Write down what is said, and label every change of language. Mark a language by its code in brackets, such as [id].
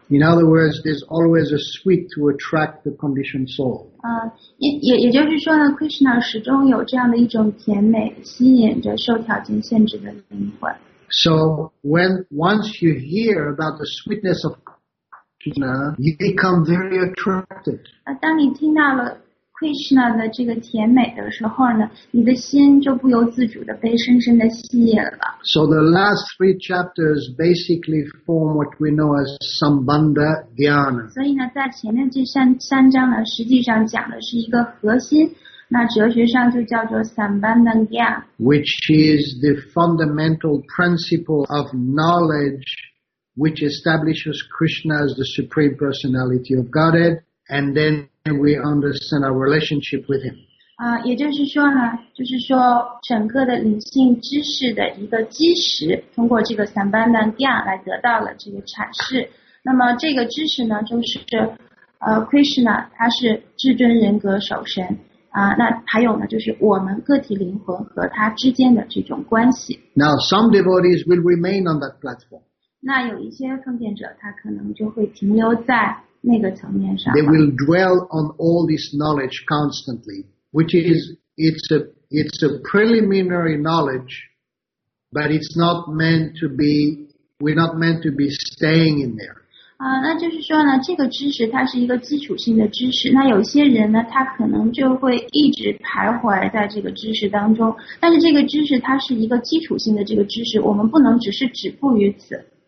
[en] In other words, there's always a sweet to attract the conditioned soul. [zh] 也就是说呢 ，Krishna 始终有这样的一种甜美，吸引着受条件限制的灵魂。 [en] So when once you hear about the sweetness of You become very attracted. [zh] 当你听到了 Krishna 的这个甜美的时候呢，你的心就不由自主的被深深的吸引了。 [en] So the last three chapters basically form what we know as Sambandha Dhyana. [zh] 所以呢，在前面这三章呢，实际上讲的是一个核心，那哲学上就叫做 Sambandha Dhyana, [en] which is the fundamental principle of knowledge. Which establishes Krishna as the Supreme Personality of Godhead, and then we understand our relationship with Him. [zh] 也就是说呢，就是说整个的灵性知识的一个基石，通过这个三班的量来得到了这个阐释。那么这个知识呢，就是Krishna 他是至尊人格首身那还有呢，就是我们个体灵魂和他之间的这种关系。 [en] Now some devotees will remain on that platform. [zh] 那有一些奉献者，他可能就会停留在那个层面上。 [en] They will dwell on all this knowledge constantly, which is it's a preliminary knowledge, but it's not meant to be. We're not meant to be staying in there. [zh] 那就是说呢，这个知识它是一个基础性的知识。那有些人呢，他可能就会一直徘徊在这个知识当中。但是这个知识它是一个基础性的这个知识，我们不能只是止步于此。